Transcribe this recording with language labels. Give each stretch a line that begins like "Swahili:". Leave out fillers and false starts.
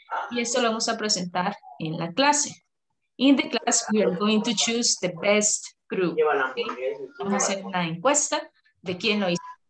Spanish: Y eso lo vamos a presentar en la clase.
English: In the class, we are going to choose the best group. Okay?
Spanish: Vamos a hacer una encuesta de quién lo hizo.